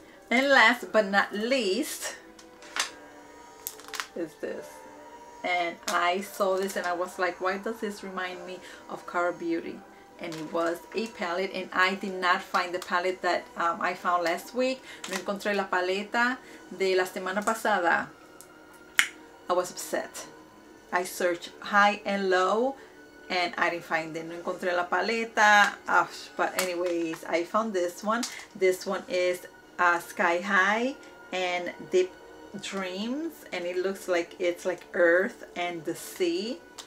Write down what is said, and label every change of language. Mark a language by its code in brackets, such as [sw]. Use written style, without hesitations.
[en] And last but not least is this. And I saw this and I was like, why does this remind me of Cara Beauty? And it was a palette, and I did not find the palette that I found last week. [es] No encontré la paleta de la semana pasada. [en] I was upset. I searched high and low and I didn't find it. [es] No encontré la paleta. [en] Oh, but anyways, I found this one. This one is Sky High and Deep Dreams, and it looks like it's like earth and the sea.